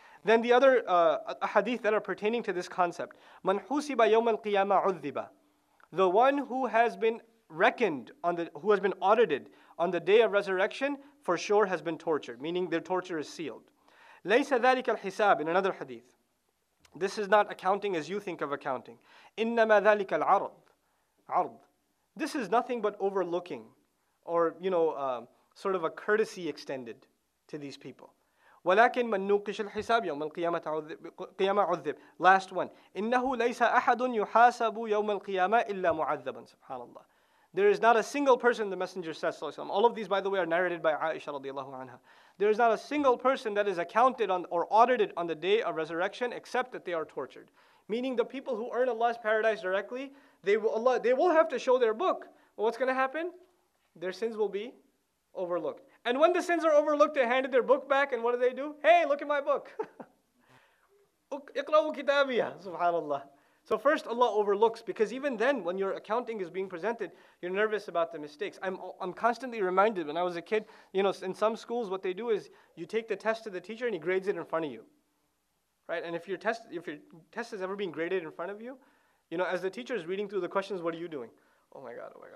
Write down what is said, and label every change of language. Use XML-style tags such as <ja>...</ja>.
<en>Then the other hadith that are pertaining to this concept.</en> <ar>مَنْ حُسِبَ يَوْمَ الْقِيَامَةِ عُذِّبَ</ar> <en>The one who has been reckoned, who has been audited on the day of resurrection, for sure has been tortured, meaning their torture is sealed.</en> <ar>لَيْسَ ذَلِكَ الْحِسَابِ</ar> <en>In another hadith. This is not accounting as you think of accounting.</en> <ar>إِنَّمَا ذَلِكَ الْعَرْضِ عرض.</ar> <en>This is nothing but overlooking, or you know, sort of a courtesy extended to these people.</en> <ar>وَلَكِنْ مَنْ نُوقِشَ الْحِسَابِ يَوْمَ الْقِيَامَةِ عُذِّبِ</ar> <en>Last one.</en> <ar>إِنَّهُ لَيْسَ أَحَدٌ يُحَاسَبُ يَوْمَ الْقِيَامَةِ إِلَّا مُعَذَّبًا SubhanAllah.</ar> <en>There is not a single person, the Messenger says, all of these, by the way, are narrated by Aisha radiallahu anha. There is not a single person that is accounted on or audited on the day of resurrection except that they are tortured. Meaning the people who earn Allah's paradise directly, they will have to show their book. But what's going to happen? Their sins will be overlooked. And when the sins are overlooked, they handed their book back, and what do? Hey, look at my book.</en> <ar>اقرأوا كتابي SubhanAllah.</ar> <en>So first, Allah overlooks, because even then, when your accounting is being presented, you're nervous about the mistakes. I'm constantly reminded, when I was a kid, you know, in some schools, what they do is, you take the test to the teacher, and he grades it in front of you. Right? And if your test is ever being graded in front of you, you know, as the teacher is reading through the questions, what are you doing? Oh my God.</en>